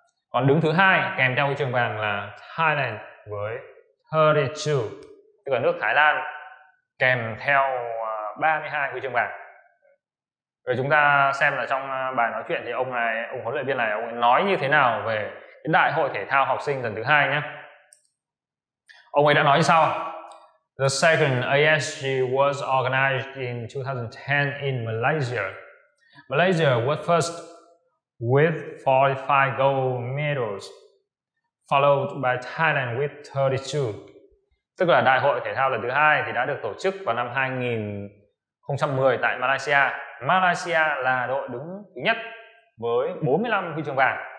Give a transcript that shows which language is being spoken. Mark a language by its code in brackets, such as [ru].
[vi] Còn đứng thứ hai kèm theo huy chương vàng là Thailand với 32, tức là nước Thái Lan kèm theo 32 huy chương vàng. Rồi chúng ta xem là trong bài nói chuyện thì ông này, ông huấn luyện viên này, ông ấy nói như thế nào về cái Đại hội Thể thao Học sinh lần thứ hai nhé. Ông ấy đã nói như sau: [en] The second ASG was organized in 2010 in Malaysia. Malaysia was first with 45 gold medals, followed by Thailand with 32. [vi] Tức là Đại hội Thể thao lần thứ 2 thì đã được tổ chức vào năm 2010 tại Malaysia. Malaysia là đội đứng thứ nhất với 45 huy chương vàng.